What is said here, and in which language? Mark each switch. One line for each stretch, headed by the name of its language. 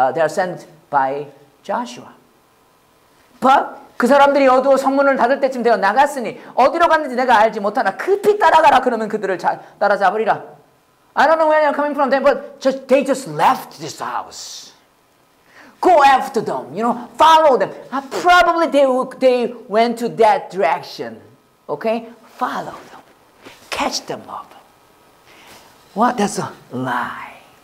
English: I didn't know that they are sent by Joshua.
Korean: But 그 사람들이 어두워 성문을 닫을 때쯤 되어 나갔으니 어디로 갔는지 내가 알지 못하나 급히 따라가라 그러면 그들을 따라잡으리라.
English: I don't know where they're coming from, but they just left this house. Go after them, you know, follow them. Probably they went to that direction, okay? Follow them. Catch them up. What? That's a lie.